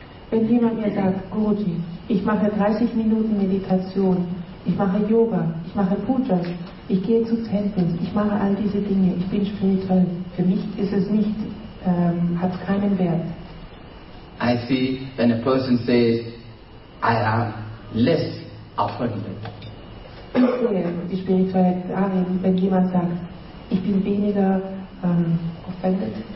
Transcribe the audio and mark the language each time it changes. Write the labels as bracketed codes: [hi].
[de] Wenn jemand mir sagt, Guruji, ich mache 30 Minuten Meditation, ich mache Yoga, ich mache Pujas, ich gehe zu Tempeln, ich mache all diese Dinge, ich bin spirituell. Für mich ist es nicht, hat es keinen Wert. [en] I see when a person says, I am less offended. [de] Ich sehe die Spiritualität darin, wenn jemand sagt, ich bin weniger offended.